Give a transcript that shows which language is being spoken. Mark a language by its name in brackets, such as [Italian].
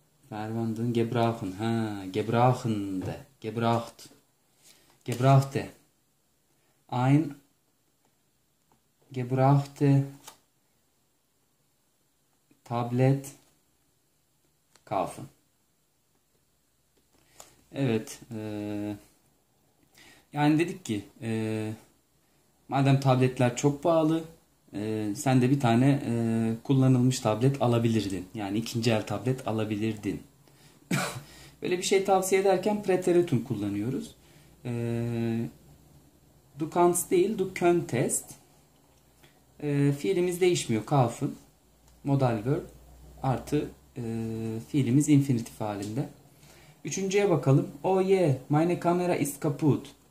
[German] Verwandten gebrauchen. Ha, gebrauchen de. Gebraucht. Gebrauchte. Ein gebrauchte Tablet kaufen. [Turkish] Evet. Yani dedik ki madem tabletler çok pahalı, sen de bir tane kullanılmış tablet alabilirdin. Yani ikinci el tablet alabilirdin. Böyle bir şey tavsiye ederken preteritum kullanıyoruz. [German] Du kannst [Turkish] değil, [German] du könntest. [Turkish] Fiilimiz değişmiyor. Kaufen, modal verb artı fiilimiz infinitif halinde. Üçüncüye bakalım. [German] Oh yeah, meine Kamera ist kaputt.